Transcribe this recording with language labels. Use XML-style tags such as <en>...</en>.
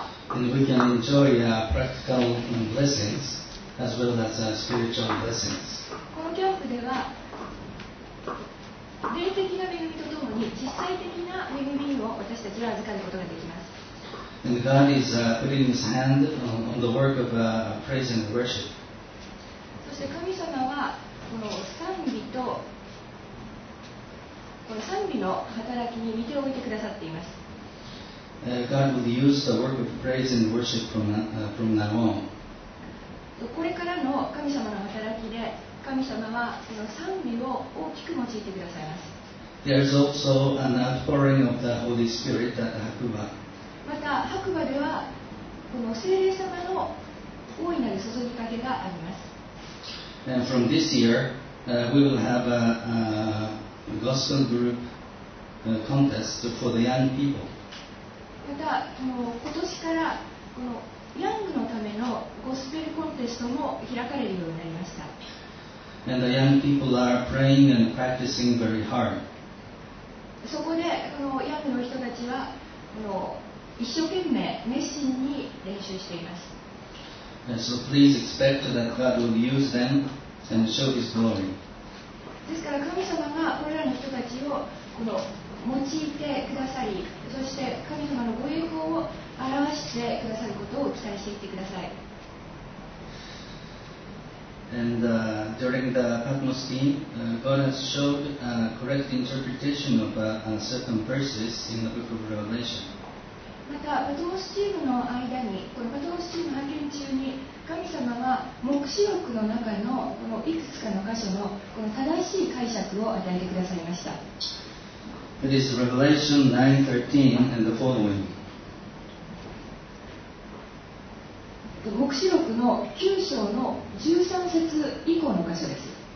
<en>And we can enjoy practical blessings as well as spiritual blessings.</en> <ja>このキャンプでは霊的な恵みとともに実際的な恵みを私たちは預かることができます。</ja> <en>And God is putting His hand on the work of praise and worship.</en> <ja>そして神様はこの賛美とこの賛美の働きに見ておいてくださっています。</ja> <en>God will use the work of praise and worship from now on.</en> <ja>これからの神様の働きで神様はその賛美を大きく用いてくださいます。</ja> <en>There is also an outpouring of the Holy Spirit at the 白馬。</en> <ja>また白馬ではこの聖霊様の大いなる注ぎかけがあります。</ja> <en>And from this year, we will have a gospel group contest for the young people.</en> <ja>またこの今年からこのヤングのためのゴスペルコンテストも開かれるようになりました。</ja> <en>And the young people are praying and practicing very hard.</en> <ja>そこでこのヤングの人たちはこの一生懸命熱心に練習しています。</ja> <en>And so please expect that God will use them and show His glory.</en> <ja>ですから神様がこれらの人たちをこの用いてくださり、そして神様のご栄光を表してくださることを期待していってください。</ja> <en>And during the Patmos theme, God has showed a correct interpretation of certain verses in the Book of Revelation.</en> <ja>また、パトモスチームの間に、このパトモスチーム派遣中に、神様は黙示録の中のこのいくつかの箇所のこの正しい解釈を与えてくださいました。</ja> <en>It is Revelation 9:13 and the following.</en> <ja>黙示録の9章の13節以降の箇所です。</ja>